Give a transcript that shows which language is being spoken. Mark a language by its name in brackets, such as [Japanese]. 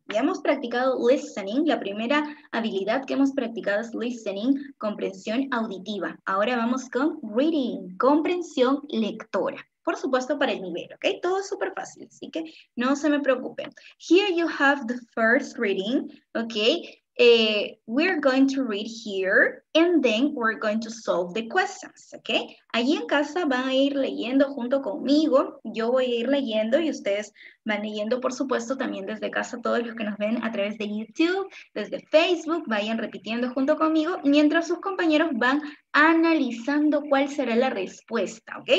[Spanish] Ya hemos practicado listening, la primera habilidad que hemos practicado es listening, comprensión auditiva. Ahora vamos con reading, comprensión lectora. Por supuesto, para el nivel, ¿ok? Todo es súper fácil, así que no se me preocupen. [English] Here you have the first reading, ¿ok? We're going to read here, and then we're going to solve the questions, ¿ok? [Spanish] Allí en casa van a ir leyendo junto conmigo. Yo voy a ir leyendo y ustedes van leyendo, por supuesto, también desde casa, todos los que nos ven a través de YouTube, desde Facebook, vayan repitiendo junto conmigo, mientras sus compañeros van analizando cuál será la respuesta, ¿ok?